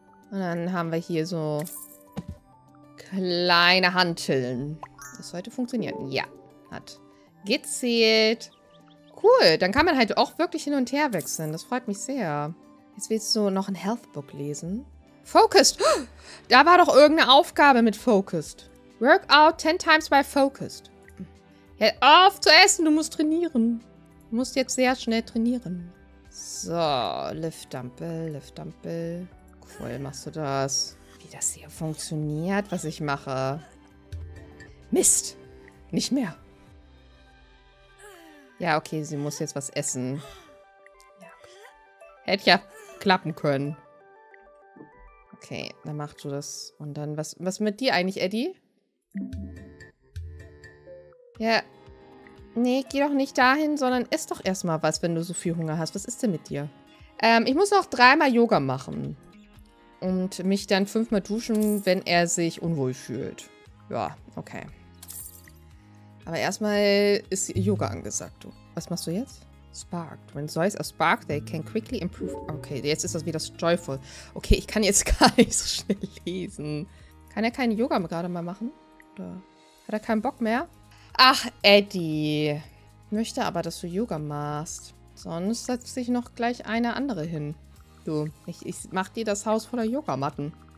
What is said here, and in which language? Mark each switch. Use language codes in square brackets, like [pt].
[de] Und dann haben wir hier so kleine Hanteln. Das sollte funktionieren. Ja. Hat gezählt. Cool. Dann kann man halt auch wirklich hin und her wechseln. Das freut mich sehr. Jetzt willst du noch ein Healthbook lesen. Focused. Da war doch irgendeine Aufgabe mit Focused. [en] Workout 10 times by Focused. [de] Hör auf zu essen. Du musst trainieren. Du musst jetzt sehr schnell trainieren. So. Lift Dumbbell. Lift Dumbbell. Cool machst du das. Wie das hier funktioniert, was ich mache. Mist. Nicht mehr. Ja, okay, sie muss jetzt was essen. Ja, okay. Hätte ja klappen können. Okay, dann machst du das. Und dann, was mit dir eigentlich, Eddie? Ja. Nee, geh doch nicht dahin, sondern iss doch erstmal was, wenn du so viel Hunger hast. Was ist denn mit dir? Ich muss noch 3-mal Yoga machen. Und mich dann 5-mal duschen, wenn er sich unwohl fühlt. Ja, okay. Aber erstmal ist Yoga angesagt. Was machst du jetzt? Sparked. [en] When soys are sparked, they can quickly improve. [de] Okay, jetzt ist das wieder joyful. Okay, ich kann jetzt gar nicht so schnell lesen. Kann er keinen Yoga gerade mal machen? Oder hat er keinen Bock mehr? Ach, Eddie. Ich möchte aber, dass du Yoga machst. Sonst setzt sich noch gleich eine andere hin. Du, ich mach dir das Haus voller Yogamatten.